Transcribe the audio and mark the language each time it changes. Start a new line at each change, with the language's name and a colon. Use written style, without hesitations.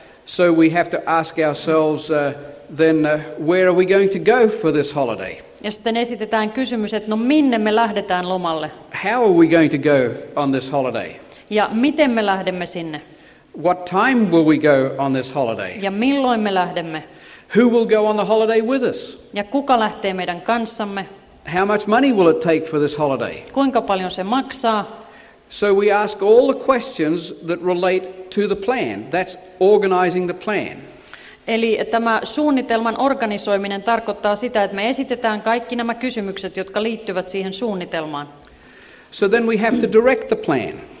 English: So we have to ask ourselves where are we going to go for this holiday?
Finnish: Ja sitten esitetään kysymys, että no minne me lähdetään lomalle?
English: How are we going to go on this holiday?
Finnish: Ja miten me lähdemme sinne?
English: What time will we go on this holiday?
Finnish: Ja milloin me lähdemme?
English: Who will go on the holiday with us?
Finnish: Ja kuka lähtee meidän kanssamme?
English: How much money will it take for this holiday?
Finnish: Kuinka paljon se maksaa?
English: So we ask all the questions that relate to the plan. That's organizing the plan.
Finnish: Eli tämä suunnitelman organisoiminen tarkoittaa sitä, että me esitetään kaikki nämä kysymykset, jotka liittyvät siihen suunnitelmaan.
English: So then we have to direct the plan.